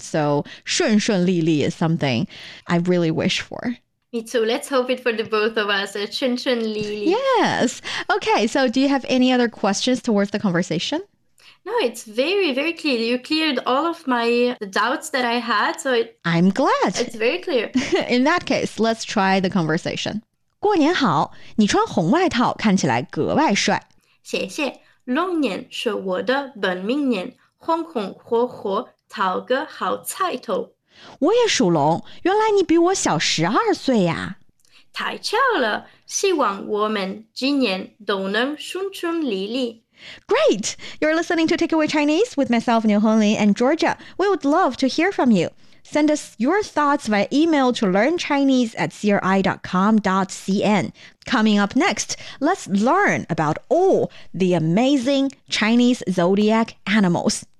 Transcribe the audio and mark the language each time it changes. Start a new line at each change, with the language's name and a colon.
English: So 顺顺利利 is something I really wish for. Me too. Let's hope it for the both of us.
Chinese: Chun chun li li.
English: Yes. Okay, so do you have any other questions towards the conversation? No, it's very, very clear. You cleared all of the doubts that I had. So I'm glad. It's very clear. In that case, let's try the conversation.
Chinese: 过年好,你穿红外套看起来格外帅。谢谢。龙年是我的本命年,红红火火,讨个好彩头。我也属龙，原来你比我小12岁呀！太巧了，希望我们今年都能顺顺利利。
English: Great! You're listening to Takeaway Chinese with myself, Niu Hongli, and Georgia. We would love to hear from you. Send us your thoughts via email to learnchinese@cri.com.cn. Coming up next, let's learn about all the amazing Chinese zodiac animals.